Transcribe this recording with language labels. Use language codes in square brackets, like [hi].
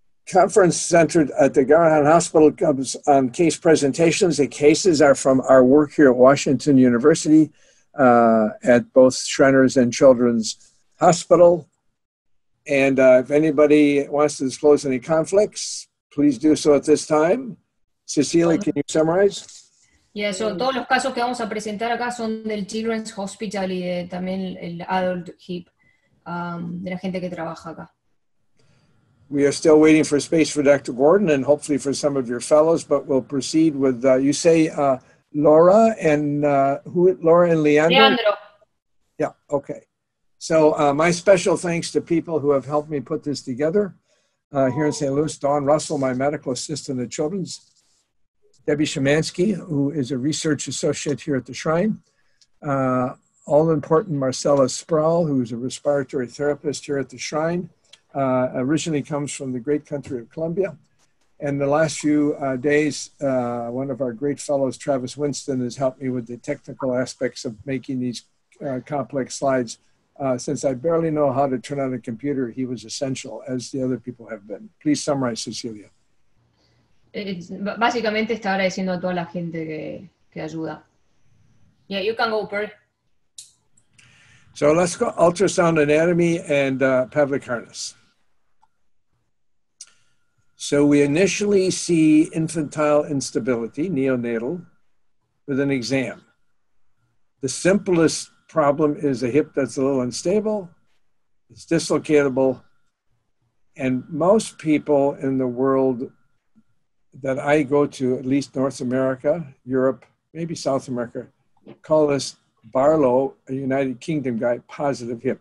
[en] conference centered at the Garrahan Hospital comes on case presentations. The cases are from our work here at Washington University at both Shriners and Children's Hospital. And if anybody wants to disclose any conflicts, please do so at this time. Cecilia, can you summarize? Yeah, so [es] todos los casos que vamos a presentar acá son del Children's Hospital y de, también el Adult HIP, de la gente que trabaja acá. [en] We are still waiting for space for Dr. Gordon and hopefully for some of your fellows, but we'll proceed with, you say Laura and who? Laura and Leandro? Leandro. Yeah, okay. So my special thanks to people who have helped me put this together here in St. Louis, Dawn Russell, my medical assistant at Children's, Debbie Szymanski, who is a research associate here at the Shrine, all important Marcella Sproul, who is a respiratory therapist here at the Shrine, originally comes from the great country of Colombia. And the last few days, one of our great fellows, Travis Winston, has helped me with the technical aspects of making these complex slides. Since I barely know how to turn on a computer, he was essential, as the other people have been. Please summarize, Cecilia. [es] Básicamente está agradeciendo a toda la gente que ayuda. [en] Yeah, you can go, Perry. So let's go ultrasound anatomy and pelvic harness. So we initially see infantile instability, neonatal, with an exam. The simplest problem is a hip that's a little unstable, it's dislocatable, and most people in the world that I go to, at least North America, Europe, maybe South America, call this Barlow, a United Kingdom guy, positive hip.